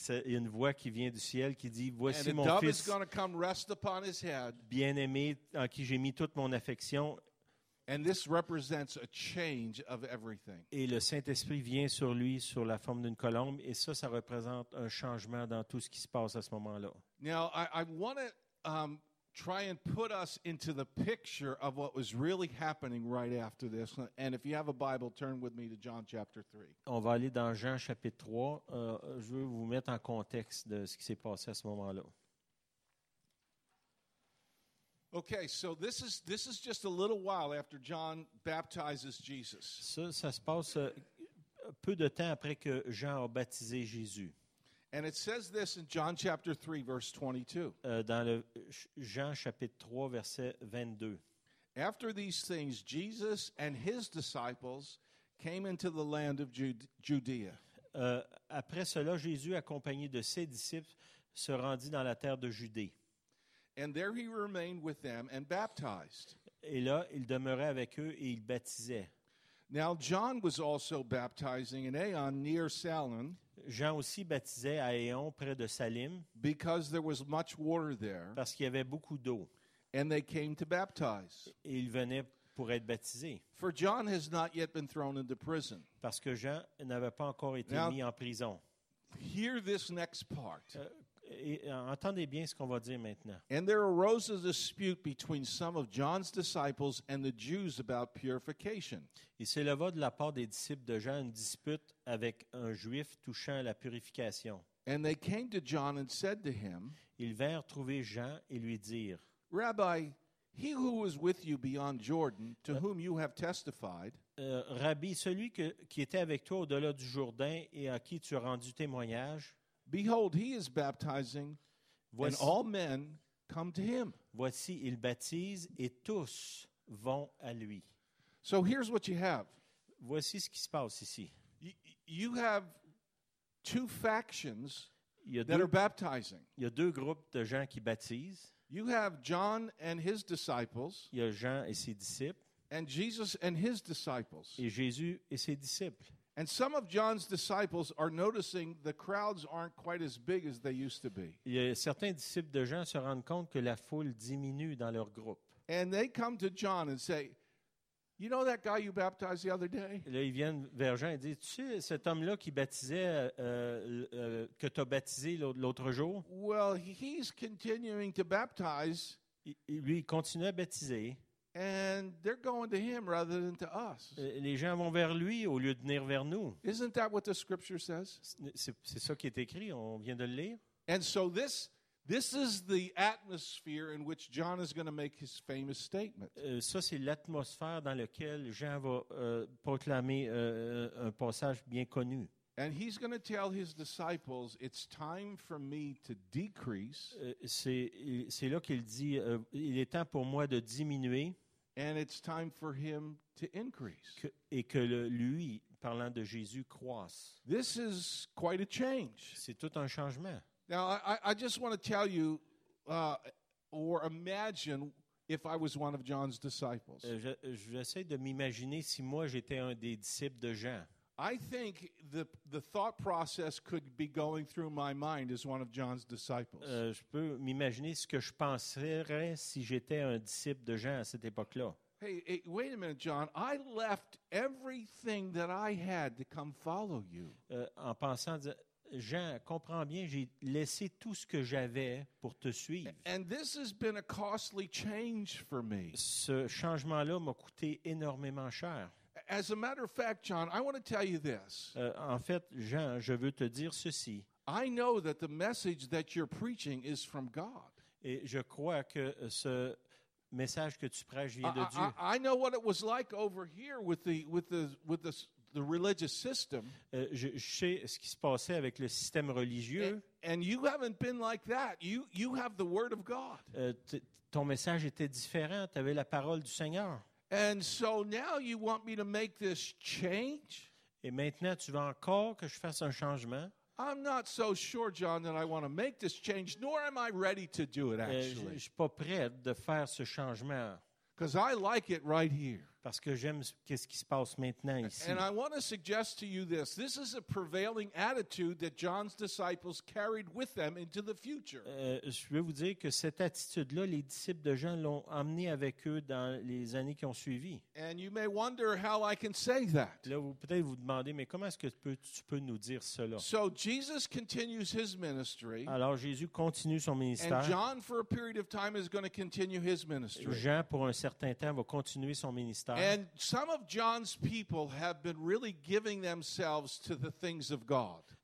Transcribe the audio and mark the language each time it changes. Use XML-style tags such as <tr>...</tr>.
<fr>C'est une voix qui vient du ciel qui dit voici</fr> <en>and</en> <fr>mon fils.</fr> <en>And the dove is going to come rest upon his head.</en> <fr>Bien-aimé en qui j'ai mis toute mon affection.</fr> <en>And this represents a change of everything.</en> <fr>Et le Saint-Esprit vient sur lui sur la forme d'une colombe et ça représente un changement dans tout ce qui se passe à ce moment-là.</fr> <en>Now I want to try and put us into the picture of what was really happening right after this. And if you have a Bible, turn with me to John chapter 3.</en> <fr>On va aller dans Jean chapitre 3. Je veux vous mettre en contexte de ce qui s'est passé à ce moment-là.</fr> <en>Okay, so this is just a little while after John baptizes Jesus.</en> <fr>Ça se passe peu de temps après que Jean a baptisé Jésus.</fr> <en>And it says this in John chapter 3, verse 22.</en> <fr>Dans le Jean chapitre 3, verset 22.</fr> <en>After these things, Jesus and his disciples came into the land of Judea.</en> <fr>Après cela, Jésus, accompagné de ses disciples, se rendit dans la terre de Judée.</fr> <en>And there he remained with them and baptized.</en> <fr>Et là, il demeurait avec eux et il baptisait.</fr> <en>Now John was also baptizing in Aon near Salim.</en> <fr>Jean aussi baptisait à Aon près de Salim.</fr> <en>Because there was much water there.</en> <fr>Parce qu'il y avait beaucoup d'eau.</fr> <en>And they came to baptize.</en> <fr>Et ils venaient pour être baptisés.</fr> <en>For John has not yet been thrown into prison.</en> <fr>Parce que Jean n'avait pas encore été mis en prison.</fr> <en>Hear this next part.</en> <fr>Entendez bien ce qu'on va dire maintenant.</fr> <en>And there arose a dispute between some of John's disciples and the Jews about purification.</en> <fr>Il s'éleva de la part des disciples de Jean une dispute avec un juif touchant à la purification.</fr> <en>And they came to John and said to him,</en> <fr>ils vinrent trouver Jean et lui dire,</fr> <en>Rabbi, he who was with you beyond Jordan, to whom you have testified,</en> <fr>Rabbi, celui qui était avec toi au-delà du Jourdain et à qui tu as rendu témoignage,</fr> <en>behold, he is baptizing,</en> <fr>voici,</fr> <en>and all men come to him.</en> <fr>Voici, il baptise, et tous vont à lui.</fr> <en>So here's what you have.</en> <fr>Voici ce qui se passe ici.</fr> <en>You have two factions that are baptizing.</en> <fr>Il y a deux groupes de gens qui baptisent.</fr> <en>You have John and his disciples.</en> <fr>Il y a Jean et ses disciples.</fr> <en>And Jesus and his disciples.</en> <fr>Et Jésus et ses disciples.</fr> <en>And some of John's disciples are noticing the crowds aren't quite as big as they used to be.</en> <fr>Certains disciples de Jean se rendent compte que la foule diminue dans leur groupe.</fr> <en>And they come to John and say, "You know that guy you baptized the other day?"</en> <fr>Là, ils viennent vers Jean et disent, "Tu sais cet homme-là qui baptisait que t'as baptisé l'autre jour?"</fr> <en>Well, he's continuing to baptize.</en> <fr>Lui, il continue à baptiser.</fr> <en>And they're going to him rather than to us.</en> <fr>Les gens vont vers lui au lieu de venir vers nous.</fr> <en>Isn't that what the scripture says?</en> <fr>C'est ça qui est écrit, on vient de le lire.</fr> <en>And so this is the atmosphere in which John is going to make his famous statement.</en> <fr>Ça c'est l'atmosphère dans lequel Jean va proclamer un passage bien connu.</fr> <en>And he's going to tell his disciples, it's time for me to decrease.</en> <fr>C'est là qu'il dit, il est temps pour moi de diminuer.</fr> <en>And it's time for him to increase.</en> <fr>Et que lui, parlant de Jésus, croisse.</fr> <en>This is quite a change.</en> <fr>C'est tout un changement.</fr> <en>Now, I just want to tell you, or imagine if I was one of John's disciples.</en> <fr>J'essaie de m'imaginer si moi j'étais un des disciples de Jean.</fr> <en>I think the thought process could be going through my mind as one of John's disciples.</en> <fr>Je peux m'imaginer ce que je penserais si j'étais un disciple de Jean à cette époque-là.</fr> <en>Hey, wait a minute, John. I left everything that I had to come follow you.</en> <fr>En pensant, Jean, comprends bien, j'ai laissé tout ce que j'avais pour te suivre.</fr> <en>And this has been a costly change for me.</en> <fr>Ce changement-là m'a coûté énormément cher.</fr> <en>As a matter of fact, John, I want to tell you this.</en> <fr>En fait, Jean, je veux te dire ceci.</fr> <en>I know that the message that you're preaching is from God.</en> <fr>Et je crois que ce message que tu prêches vient de Dieu.</fr> <en>I know what it was like over here with the the religious system.</en> <fr>Je sais ce qui se passait avec le système religieux.</fr> <en>And you haven't been like that. You have the word of God.</en> <fr>Ton message était différent. Tu avais la parole du Seigneur.</fr> <en>And so now you want me to make this change?</en> <fr>Et maintenant tu veux encore que je fasse un changement?</fr> <en>I'm not so sure, John, that I want to make this change, nor am I ready to do it, actually.</en> <fr>Je suis pas prêt de faire ce changement.</fr> <en>Because I like it right here.</en> <fr>Parce que j'aime qu'est-ce qui se passe maintenant ici.</fr> <en>And I want to suggest to you this. This is a prevailing attitude that John's disciples carried with them into the future.</en> <fr>Je veux vous dire que cette attitude-là, les disciples de Jean l'ont amené avec eux dans les années qui ont suivi.</fr> <en>And you may wonder how I can say that.</en> <fr>Là, vous peut-être vous demandez, mais comment est-ce que tu peux nous dire cela?</fr> <en>So Jesus continues his ministry.</en> <fr>Alors Jésus continue son ministère.</fr> <en>And John, for a period of time, is going to continue his ministry.</en> <fr>Jean, pour un certain temps, va continuer son ministère.</fr> <en>And some of John's people have been really giving themselves to the things of God.</en>